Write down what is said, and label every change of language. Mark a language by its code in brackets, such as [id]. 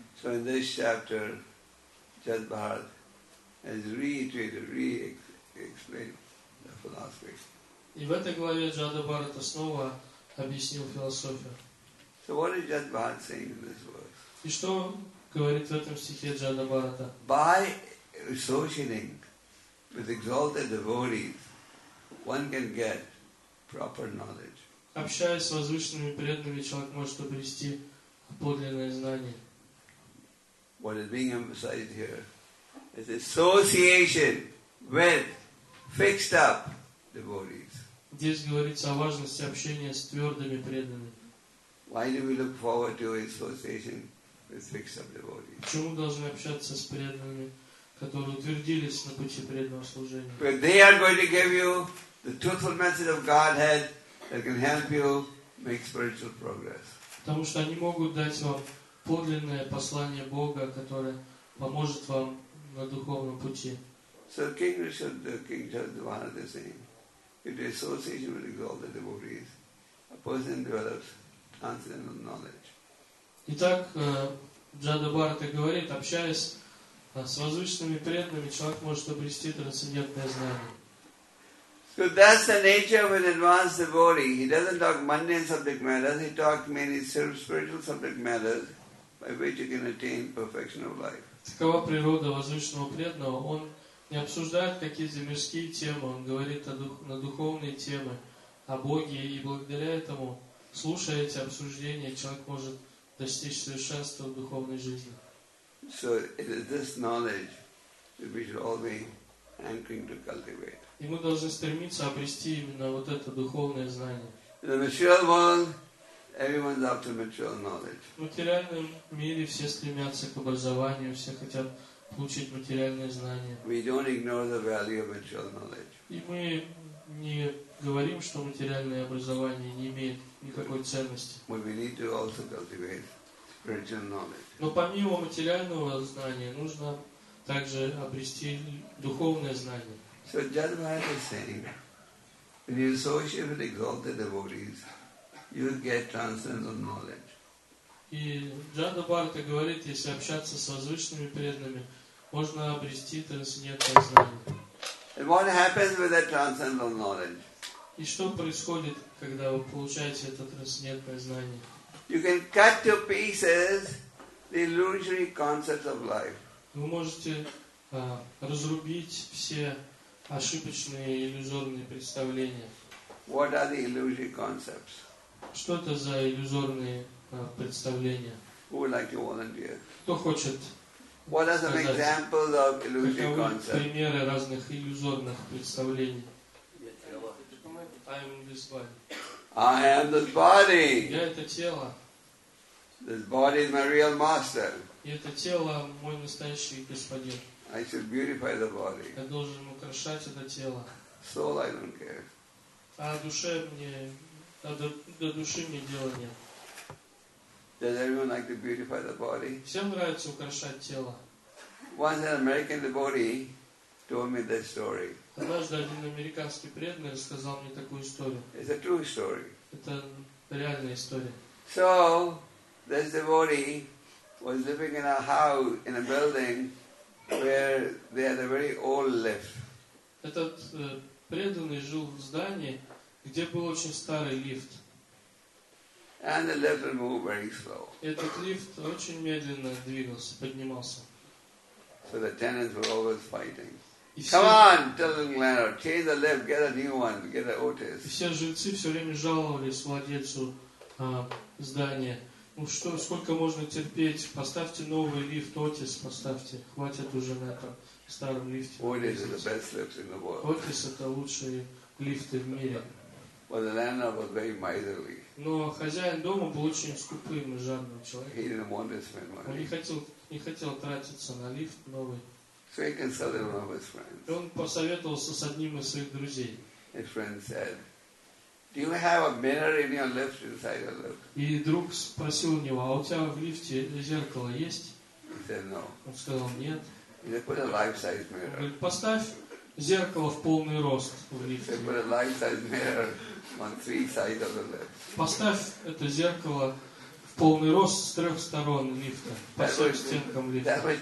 [en] So in this chapter, Jad Bharat has reiterated, re-explained the philosophy. [ru] И в этой главе Джада Бхарата снова объяснил философию. [en] So what is Jad Bharat saying in this verse? [ru] И что говорит в этом стихе Джада Бхарата? [en] By associating with exalted devotees, one can get proper knowledge. [ru] Общаясь с возвышенными преданными, человек может обрести подлинное знание. [en] What is being emphasized here is association with fixed up devotees. [ru] Здесь говорится о важности общения с твердыми преданными. [en] Why do we look forward to association with fixed up devotees? [ru] Почему должны общаться с преданными, которые утвердились на пути преданного служения? [en] Because they are going to give you the truthful message of Godhead that can help you make spiritual progress. [ru] Потому что они могут дать вам подлинное послание Бога, которое поможет вам на духовном пути. [en] So King Rishabh, King Jadwana is saying, if the association with exalted devotees, a person develops transcendental knowledge. [ru] Итак, Джада Бхарата говорит, общаясь с возвышенными преданными, человек может обрести трансцендентное знание. [en] So that's the nature of an advanced devotee. He doesn't talk mundane subject matters. He talks mainly spiritual subject matters by which he can attain perfection of life. [ru] Такова природа возвышенного преданного. Он не обсуждает какие-то мирские темы. Он говорит на духовные темы, о Боге, и благодаря этому слушая эти обсуждения, человек может достичь совершенства в духовной жизни. [en] So it is this knowledge that we should all be anchoring to cultivate. [ru] И мы должны стремиться обрести именно вот это духовное знание. [en] In the material world, everyone's after material knowledge. [ru] В материальном мире все стремятся к образованию, все хотят получить материальные знания. [en] We don't ignore the value of material knowledge. [ru] И мы не говорим, что материальное образование не имеет никакой ценности. [en] But we need to also cultivate spiritual knowledge. [ru] Но помимо материального знания нужно также обрести духовное знание. [en] So Jadavaya is saying, when you associate with exalted devotees, you get transcendental knowledge. [ru] И Джанабарта говорит, если общаться с возвышенными преданными, можно обрести трансцендентное знание. [en] And what happens with that transcendental knowledge? [ru] И что происходит, когда вы получаете это трансцендентное знание? [en] You can cut to pieces the illusory concepts of life. [ru] Вы можете разрубить все ошибочные иллюзорные представления. [en] What are the illusory concepts? [ru] Что это за иллюзорные представления? [en] Who would like to volunteer? [ru] Кто хочет? [en] What are some examples of illusory concepts? [ru] Примеры разных иллюзорных представлений. [en] I am this body. [ru] Я это тело. [en] This body is my real master. [ru] И это тело мой настоящий господин. [en] I should beautify the body. [ru] Я должен украшать это тело. [en] Soul, I don't care. [ru] А душе мне, до души мне дела нет. [en] Does everyone like to beautify the body? [ru] Всем нравится украшать тело. [en] Once an American devotee told me this story. [ru] Однажды один американский преданный рассказал мне такую историю. [en] It's a true story. [ru] Это реальная история. [en] So this devotee was living in a house in a building where they had a very old lift. [ru] Этот преданный жил в здании, где был очень старый лифт. [en] And the lift would move very slow. [ru] Этот лифт очень медленно двигался, поднимался. [en] So the tenants were always fighting. Come on, tell the landlord, change the lift, get a new one, get an Otis. [ru] Все жильцы все время жаловались владельцу здания. Ну что, сколько можно терпеть? Поставьте новый лифт, Otis, поставьте. Хватит уже на этом старом лифте. [en] Otis is the best lift in the world. [ru] Otis это лучшие лифты в мире. [en] But the landlord was very miserly. [ru] Но хозяин дома был очень скупым и жадным человеком. [en] He didn't want to spend money. [ru] Он не хотел тратиться на лифт новый. [en] So he consulted one of his friends. [ru] Он посоветовался с одним из своих друзей. [en] His friend said, "Do you have a mirror in your lift inside your lift?" [ru] И друг спросил у него, а у тебя в лифте зеркало есть? [en] He said, "No." [ru] Он сказал, нет. [en] He said, "Put a life-size mirror." [ru] Он говорит, поставь зеркало в полный рост в лифте. [en] He said, "Put a life-size mirror on three sides of the lift." [ru] Поставь это зеркало в полный рост с трех сторон лифта, по всем стенкам лифта.